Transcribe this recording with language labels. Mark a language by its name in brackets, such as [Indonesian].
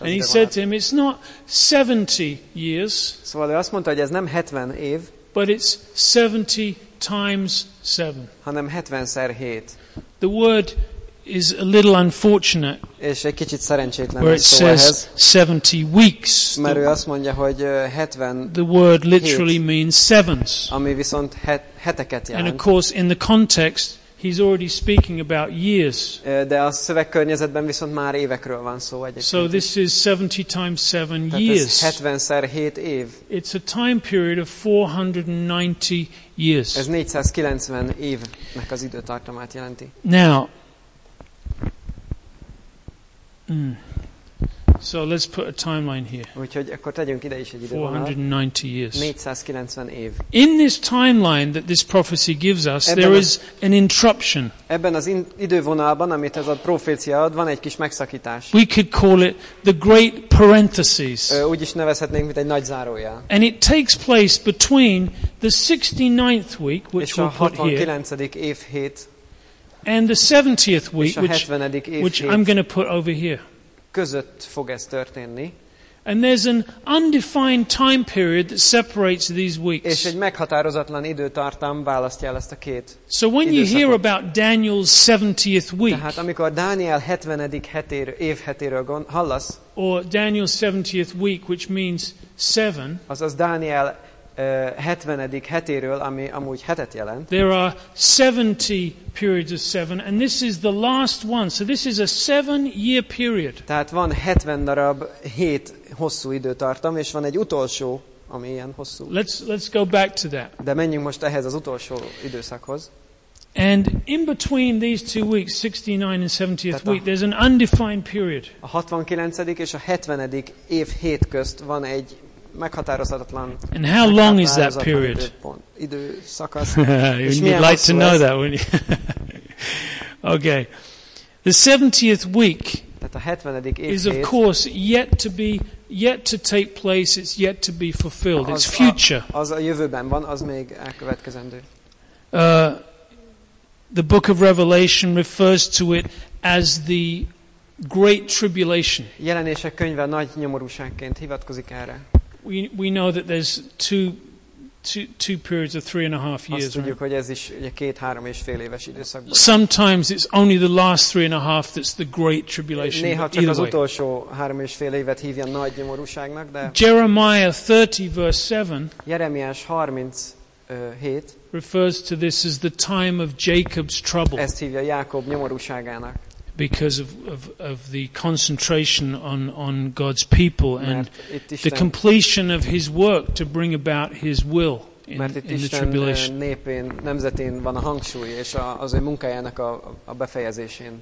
[English] And he said to him, it's not 70 years. [Hungarian] Szóval ő azt mondta, hogy ez nem 70 év. [English] But it's 70 times 7. [Hungarian] Hanem 70-szer 7. [English] The word is a little unfortunate. [Hungarian] És egy kicsit szerencsétlen [English] where it [Hungarian] szó [English] says [Hungarian] ehhez, [English] 70 weeks. [Hungarian] Mert ő azt mondja, hogy 70. [English] The word literally means sevens. [Hungarian] Ami viszont heteket jelent. [English] And of course in the context he's already speaking about years. [Hungarian] De a szövegkörnyezetben viszont már évekről van szó egyébként. [English] So this is 70 times 7 years. [Hungarian] Tehát ez 70-szer 7 év. [English] It's a time period of 490 years. [Hungarian] Ez 490 évnek az időtartamát jelenti. [English] Now, so let's put a timeline here. [Hungarian] Úgyhogy akkor tegyünk ide is egy időt. [English] 490 years. [Hungarian] 490 év. [English] In this timeline that this prophecy gives us, there is an interruption. [Hungarian] Ebben az idővonalban, amit ez a profécia ad, van egy kis megszakítás. [English] We could call it the great parenthesis. [Hungarian] Úgy is nevezhetnénk, mint egy nagy zárójel. [English] And it takes place between the 69th week, which we'll put here. [Hungarian] És a 69. év hét. [English] And the 70th week, [Hungarian] és a 70. év hét. [English] Which I'm going to put over here. [Hungarian] Között fog ez történni. [English] And there's an undefined time period that separates these weeks. [Hungarian] És egy meghatározatlan időtartam választja el ezt a két. [English] So when you hear about Daniel's 70th week. [Hungarian] Tehát amikor Dániel 70. évhetéről hallasz. [English] Or Daniel's 70th week, which means 7. [Hungarian] Azaz Dániel 70. hetéről, ami amúgy hetet jelent. [English] There are 70 periods of 7, and this is the last one. So this is a 7-year period. [Hungarian] Tehát van 70 darab 7 hosszú időtartam, és van egy utolsó ami ilyen hosszú. [English] Let's go back to that. [Hungarian] De menjünk most ehhez az utolsó időszakhoz. [English] And in between these two weeks, 69 and 70th week, there's an undefined period. [Hungarian] A 69. és a 70. év hét közt van egy meghatározhatatlan. [English] And how long is that period? [Hungarian] Időszakasz. [English] You'd like to know that, wouldn't you? Okay. The 70th week is of course yet to take place, it's yet to be fulfilled, it's future. [Hungarian] Az a jövőben van, az még elkövetkezendő. [English] The book of Revelation refers to it as the great tribulation. [Hungarian] Jelenések könyve nagy nyomorúságként hivatkozik erre. [English] We know that there's two periods of 3.5 years. [Hungarian] Azt tudjuk, [English] right? [Hungarian] Hogy ez is ugye 2-3.5 éves időszak. [English] Sometimes it's only the last 3.5 that's the great tribulation. [Hungarian] Néha csak az utolsó 3.5 évet hívja nagy nyomorúságnak, de [English] Jeremiah 30 verse 7. [Hungarian] Jeremiás 37 [English] refers to this as the time of Jacob's trouble. [Hungarian] Ezt hívja Jákob nyomorúságának. [English] Because of the concentration on God's people and the completion of his work to bring about his will in the tribulation. [Hungarian] Népén, nemzetén van a hangsúly és az ő munkájának a befejezésén.